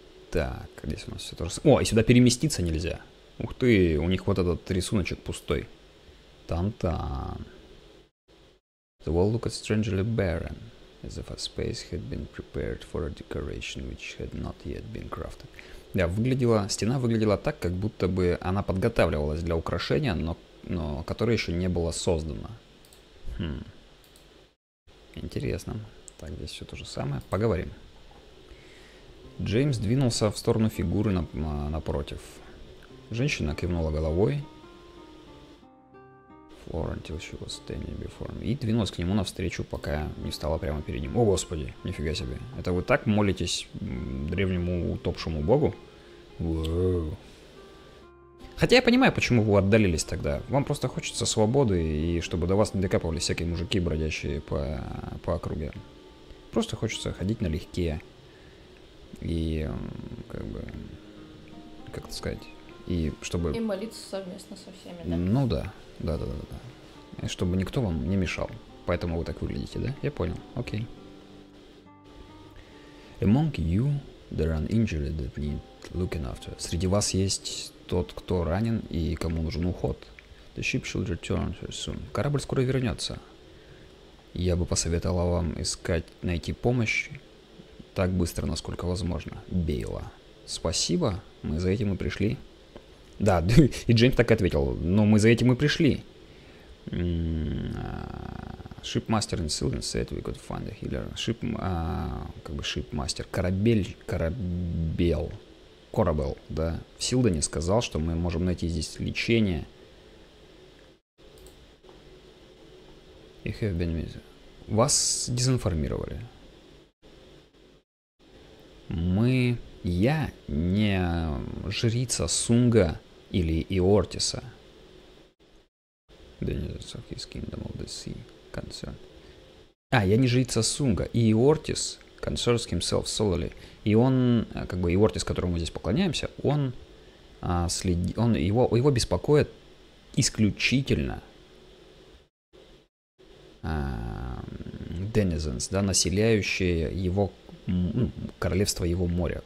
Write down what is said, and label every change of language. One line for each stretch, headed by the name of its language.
Russian: Так, здесь у нас все тоже... О, и сюда переместиться нельзя. Ух ты, у них вот этот рисуночек пустой. Там-там.
English: The wall looked strangely barren, as if a space had been prepared for a decoration which had not yet been crafted.
Russian: Да, выглядела... Стена выглядела так, как будто бы она подготавливалась для украшения, но которое еще не было создано. Хм. Интересно. Так, здесь все то же самое. Поговорим. Джеймс двинулся в сторону фигуры напротив. Женщина кивнула головой.
English: Floor until she was standing before me.
Russian: И двинулась к нему навстречу, пока не встала прямо перед ним. О, господи, нифига себе. Это вы так молитесь древнему утопшему богу? Воу. Хотя я понимаю, почему вы отдалились тогда. Вам просто хочется свободы, и чтобы до вас не докапывались всякие мужики, бродящие по округе. Просто хочется ходить налегке. И, как бы, как это сказать, и чтобы... И молиться совместно со всеми, да? Ну да, да-да-да-да. И чтобы никто вам не мешал. Поэтому вы так выглядите, да? Я понял, окей.
English: Among you, there are injured that need looking after.
Russian: Среди вас есть тот, кто ранен и кому нужен уход.
English: The ship should return soon.
Russian: Корабль скоро вернется. Я бы посоветовала вам искать, найти помощь. Так быстро, насколько возможно. Бейла. Спасибо, мы за этим и пришли. Да, и Джеймс так и ответил. Но мы за этим и пришли.
English: Shipmaster in Silden said we could find a healer.
Russian: Ship, как бы shipmaster. Корабел, да. В Силдене сказал, что мы можем найти здесь лечение.
English: You have been missed.
Russian: Вас дезинформировали. Я не жрица Сунга или Иортиса.
English: Denizens of his kingdom of the sea concerned.
Russian: А, я не жрица Сунга. И Иортис
English: concerns himself solely.
Russian: И он, как бы Иортис, которому мы здесь поклоняемся, он следит. Он его беспокоит исключительно. Denizens, да, населяющие его. Королевство его моря.